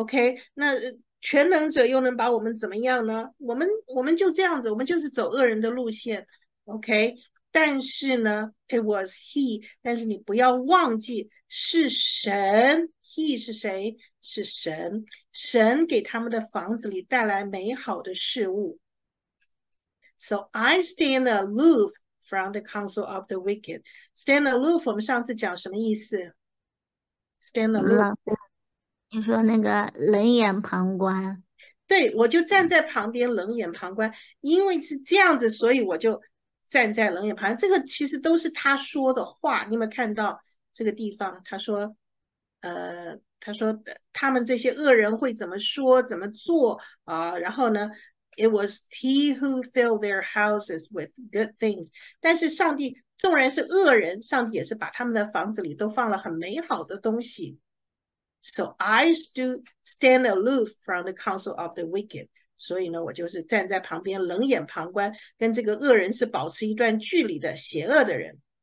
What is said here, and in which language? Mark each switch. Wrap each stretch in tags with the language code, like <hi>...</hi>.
<zh>OK， 那全能者又能把我们怎么样呢？我们就这样子，我们就是走恶人的路线。 OK， 但是呢 ，</zh> <en>It was he，</en> <zh>但是你不要忘记是神 ，He 是谁？是神，神给他们的房子里带来美好的事物。</zh> <en>So I stand aloof from the counsel of the wicked. Stand aloof，</en> <zh>我们上次讲什么意思 ？Stand aloof，你说那个冷眼旁观。对，我就站在旁边冷眼旁观，因为是这样子，所以我就站在冷眼旁观。这个其实都是他说的话，你有没有看到这个地方？他说，他说他们这些恶人会怎么说怎么做啊？然后呢</zh> <en>，It was he who filled their houses with good things。</en> <zh>但是上帝纵然是恶人，上帝也是把他们的房子里都放了很美好的东西。</zh> <en>So I stand aloof from the counsel of the wicked。</en> <zh>所以呢，我就是站在旁边冷眼旁观，跟这个恶人是保持一段距离的邪恶的人。</zh>